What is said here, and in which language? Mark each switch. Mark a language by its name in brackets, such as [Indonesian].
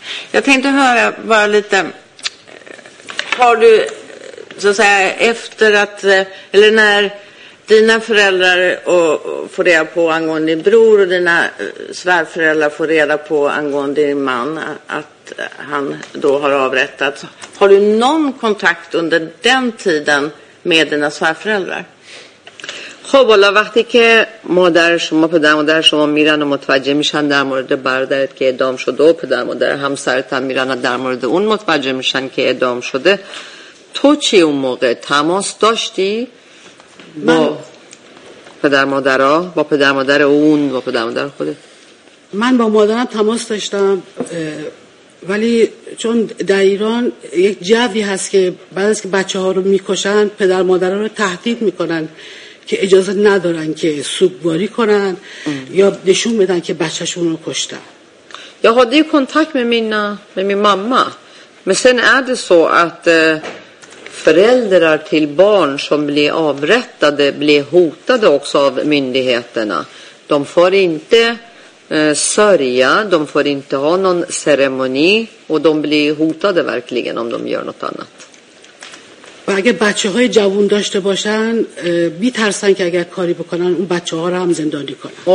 [Swedish] Jag tänkte höra bara lite, har du så att säga efter att, eller när dina föräldrar får reda på angående din bror och dina svärföräldrar får reda på angående din man att han då har avrättats, har du någon kontakt under den tiden med dina svärföräldrar? [Persian] خب حالا وقتی که مادر شما پدر مادر شما میرن و متوجه میشن در مورد برادرت که اعدام شده و پدر مادر همسرت هم میرن و در مورد اون متوجه میشن که اعدام شده تو چی اون موقع تماس داشتی با پدر مادر ها با پدر مادر اون با پدر مادر خوده من با مادرم تماس داشتم ولی چون در ایران یک جوی هست که بعد از که بچه ها رو میکشن پدر مادر رو تهدید میکنن که اجازه ندارن که سوگواری کنن یا نشون بدن که بچه‌شون رو کشتن. [Swedish] Jag hade ju kontakt med min mamma. Men sen är det så att föräldrar till barn som blir avrättade blir hotade också av myndigheterna. De får inte sörja, de får inte ha någon ceremoni och de blir hotade verkligen om de gör något annat. [Persian] و اگه بچه های جوان داشته باشن می ترسن که اگر کاری بکنن اون بچه ها رو هم زندانی کنن